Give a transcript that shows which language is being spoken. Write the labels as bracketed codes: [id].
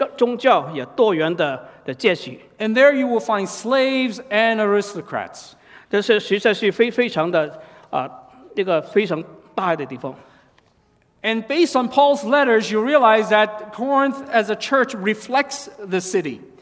[zh] 这个城市呢是非常之大，有多元的文化，有国中的宗教，有多元的阶级。 [en] And there you will find slaves and aristocrats. [zh] 这是实在是非常的一个非常大的地方。 [en] And based on Paul's letters, you realize that Corinth as a church reflects the city.